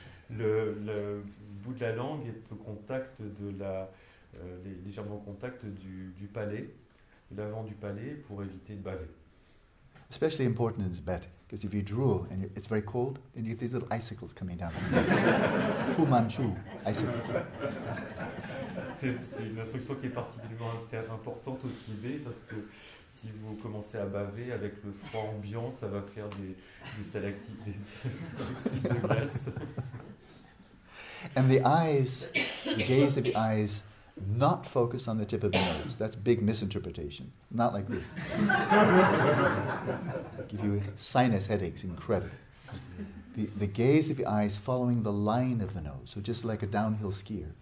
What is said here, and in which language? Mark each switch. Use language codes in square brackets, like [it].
[fr] Le bout de la langue est au contact de la légèrement au contact du palais, l'avant du palais pour éviter de baver. [en] Especially important in Tibet, because if you drool and it's very cold, then you get these little icicles coming down. Fu Manchu icicles. [fr] C'est une instruction qui est particulièrement importante au Tibet, parce que si vous commencez à baver avec le froid ambiant, ça va faire des stalactites, des glaces. [en] And the eyes, the gaze of the eyes, not focus on the tip of the nose. That's big misinterpretation. Not like this. Give you sinus headaches, incredible. The gaze of the eyes following the line of the nose. So just like a downhill skier.